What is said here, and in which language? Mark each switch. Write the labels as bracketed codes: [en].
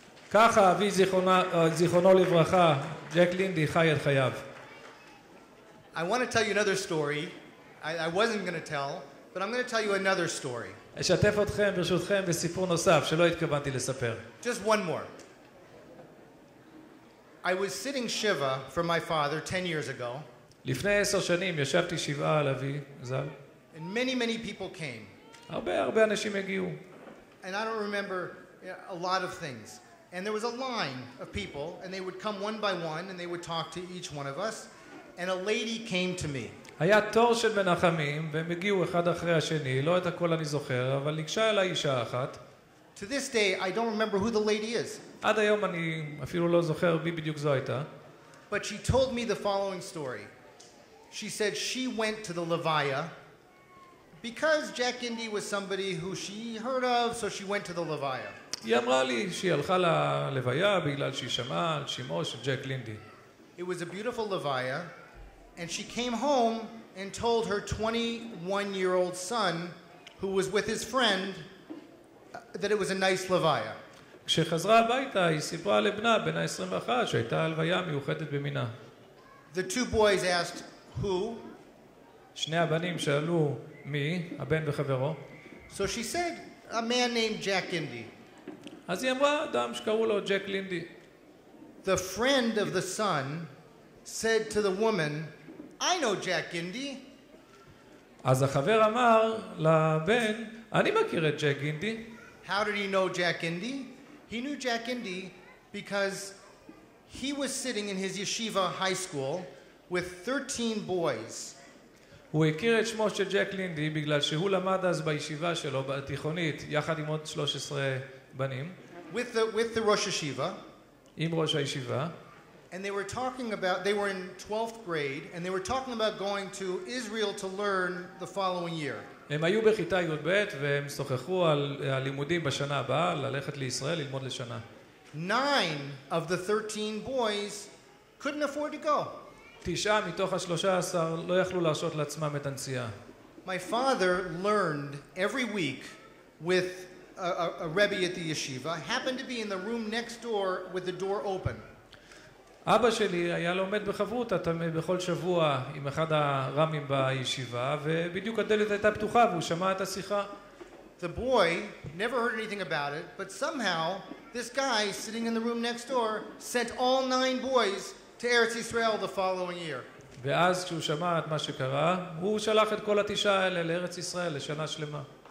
[he] ככה אבי זיכרונו לברכה, ג'ק לינדי, חי את חייו. [en] I want to tell you another story. I wasn't going to tell, but I'm going to tell you another story. [he] אשתף אתכם, ברשותכם, בסיפור נוסף שלא התכוונתי לספר. [en] Just one more. I was sitting Shiva for my father 10 years ago. [he] לפני 10 שנים ישבתי שבעה על אבי ז"ל. [en] And many people came. [he] הרבה אנשים הגיעו. [en] And I don't remember a lot of things, And there was a line of people, and they would come one by one, and they would talk to each one of us. And a lady came to me. [he] היה תור של מנחמים, והם הגיעו אחד אחרי השני, לא את הכל אני זוכר, אבל ניגשה אליי אישה אחת. [en] To this day, I don't remember who the lady is. [he] עד היום אני אפילו לא זוכר מי בדיוק זו הייתה. [en] But she told me the following story. She said she went to the Leviah because Jack Indy was somebody who she heard of, so she went to the Leviah. [he] היא אמרה לי שהיא הלכה ללוויה בגלל שהיא שמעה על שמעו של ג'ק לינדי. [en] It was a beautiful Leviah, and she came home and told her 21-year-old son, who was with his friend, that it was a nice Leviah. [he] כשחזרה הביתה, היא סיפרה לבנה, בן ה-21, שהייתה הלוויה מיוחדת במינה. [en] The two boys asked, who? [he] שני הבנים שאלו מי, הבן וחברו. [en] So she said, a man named Jack Indy. [he] אז היא אמרה, אדם שקראו לו ג'ק לינדי. [en] The friend of the son said to the woman, I know Jack Indy. [he] אז החבר אמר לבן, אני מכיר את ג'ק אינדי. [en] How did he know Jack Indy? He knew Jack Indy because he was sitting in his yeshiva high school with 13 boys. [he] הוא הכיר את שמו של ג'ק לינדי בגלל שהוא למד אז בישיבה שלו בתיכונית יחד עם עוד 13 בנים. [en] With the Rosh Yeshiva. [he] עם ראש הישיבה. [en] And they were talking about, they were in 12th grade, and they were talking about going to Israel to learn the following year. [he] הם היו בכיתה י"ב והם שוחחו על הלימודים בשנה הבאה, ללכת לישראל ללמוד לשנה. [en] 9 of the 13 boys couldn't afford to go. [he] 9 מתוך ה-13 לא יכלו להרשות לעצמם את הנסיעה. [en] My father learned every week with a rebbe at the yeshiva, happened to be in the room next door with the door open. [he] אבא שלי היה לומד בחברותא תמיד בכל שבוע עם אחד הרמים בישיבה ובדיוק הדלת הייתה פתוחה והוא שמע את השיחה. [en] The boy never heard anything about it, but somehow this guy sitting in the room next door sent all 9 boys to Eretz Israel the following year. [he] ואז כשהוא שמע את מה שקרה הוא שלח את כל התשעה האלה לארץ ישראל לשנה שלמה.